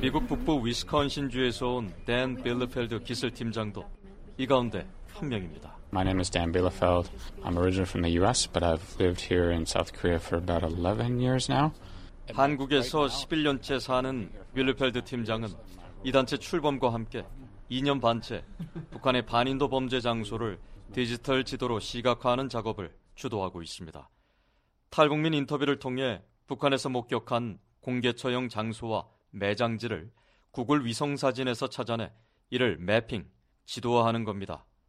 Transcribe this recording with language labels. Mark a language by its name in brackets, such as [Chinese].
[Korean] 미국 북부 위스콘신주에서 온 댄 빌러펠드 기술 팀장도 이 가운데 한 명입니다. [English] My name is Dan Bielefeld. I'm originally from the U.S., but I've lived here in South Korea for about 11 years now. [Korean] 한국에서 11년째 사는 빌러펠드 팀장은 이 단체 출범과 함께 2년 반째 북한의 반인도 범죄 장소를 디지털 지도로 시각화하는 작업을 주도하고 있습니다. 탈북민 인터뷰를 통해 북한에서 목격한 공개 처형 장소와 매장지를 구글 위성사진에서 찾아내 이를 매핑, 지도화하는 겁니다.